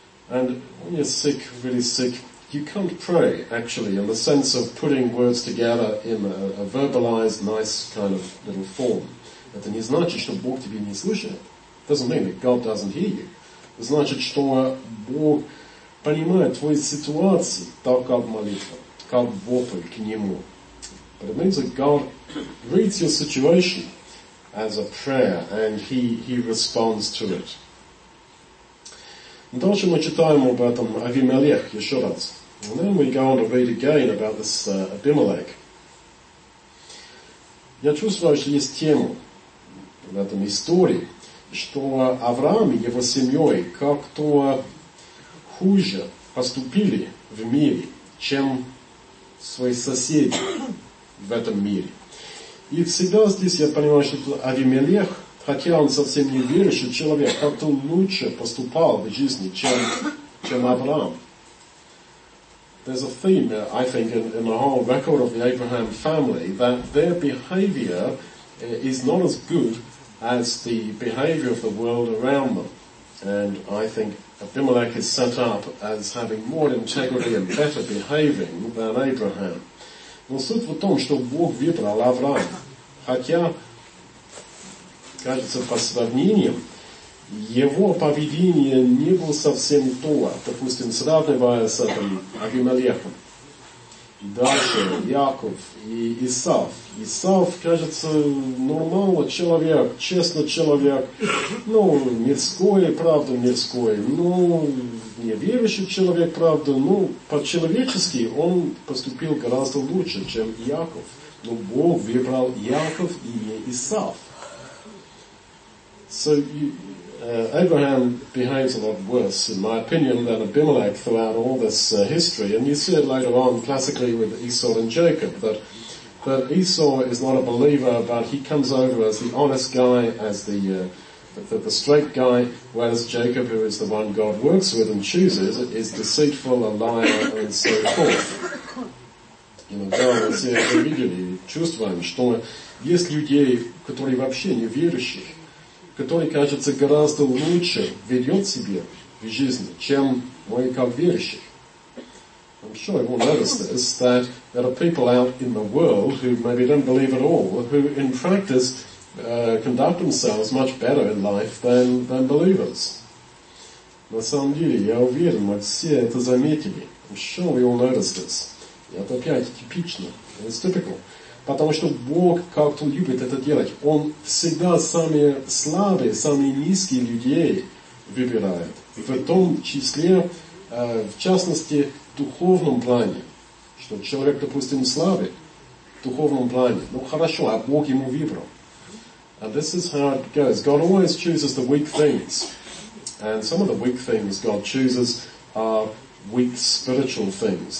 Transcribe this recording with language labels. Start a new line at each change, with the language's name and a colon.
English: And when you're sick, really sick, you can't pray, actually, in the sense of putting words together in a verbalized, nice kind of little form.
Russian: Это не значит, что Бог тебя не слышит.
English: It doesn't mean that God doesn't hear you.
Russian: Это значит, что Бог понимает твою ситуацию так, как молитва, как вопль к Нему.
English: But it means that God reads your situation as a prayer, and He responds to it.
Russian: Дальше мы читаем об этом Авимелех еще раз.
English: And then we go on to read again about this Abimelech.
Russian: Я чувствую, что есть тема в этом истории, что Авраам и его семьей как-то хуже поступили в мире, чем свои соседи в этом мире. И всегда здесь я понимаю, что Авимелех, хотя он совсем не верующий человек, как-то лучше поступал в жизни, чем Авраам.
English: There's a theme, I think, in the whole record of the Abraham family, that their behavior is not as good as the behavior of the world around them. And I think Abimelech is set up as having more integrity and better behaving than Abraham.
Russian: Но суть в том, что Бог выбрал Авраам, хотя, кажется, по сравнению, его поведение не было совсем то, допустим, сравнивая с этим Авимелехом. Дальше Яков и Исав. Исав, кажется, нормальный человек, честный человек, ну, мирской, ну, неверующий человек, правда, ну, по-человечески он поступил гораздо лучше, чем Яков. Но Бог выбрал Яков и не Исав.
English: So Abraham behaves a lot worse, in my opinion, than Abimelech throughout all this history. And you see it later on, classically, with Esau and Jacob, that Esau is not a believer, but he comes over as the honest guy, as the straight guy, whereas Jacob, who is the one God works with and chooses, is deceitful, a liar, and so forth. You know, God is here immediately.
Russian: Чувствуем, что есть людей, которые вообще не верующие, который, кажется, гораздо лучше ведет себя в жизни, чем мы как верующие.
English: I'm sure you all notice this, that there are people out in the world who maybe don't believe at all, who in practice conduct themselves much better in life than believers.
Russian: На самом деле, я уверен, мы все это заметили.
English: I'm sure we all notice this.
Russian: Это опять типично.
English: It's typical.
Russian: Потому что Бог как-то любит это делать. Он всегда самые слабые, самые низкие людей выбирает. В том числе, в частности, в духовном плане. Что человек, допустим, слабый в духовном плане. Ну хорошо, а Бог ему выбрал.
English: And this is how it goes. God always chooses the weak things. And some of the weak things God chooses are weak spiritual things.